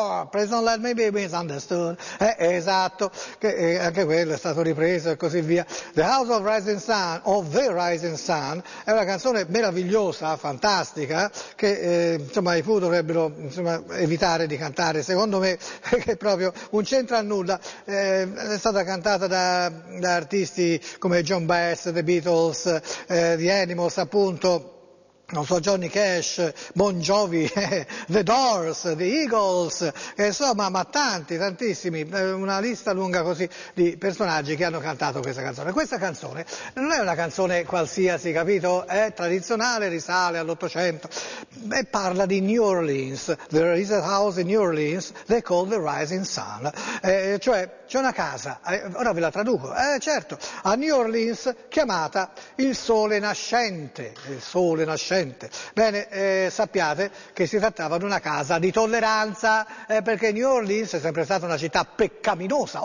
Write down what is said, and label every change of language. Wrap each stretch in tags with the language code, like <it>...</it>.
<en>Please don't let me be misunderstood.</en> <it>Esatto, che anche quello è stato ripreso e così via. The House of Rising Sun, o The Rising Sun, è una canzone meravigliosa, fantastica, che insomma i Pooh dovrebbero evitare di cantare, secondo me, che proprio non c'entra nulla. È stata cantata da artisti come John Bass, The Beatles, The Animals, appunto. Non so, Johnny Cash, Bon Jovi, The Doors, The Eagles, insomma, ma tanti, tantissimi, una lista lunga così di personaggi che hanno cantato questa canzone. Questa canzone non è una canzone qualsiasi, capito? È tradizionale, risale all'Ottocento, e parla di New Orleans.</it> <en>There is a house in New Orleans, they call the Rising Sun.</en> <it>Cioè, c'è una casa, ora ve la traduco, certo, a New Orleans, chiamata il Sole Nascente, il Sole Nascente. Bene, sappiate che si trattava di una casa di tolleranza, perché New Orleans è sempre stata una città peccaminosa.</it>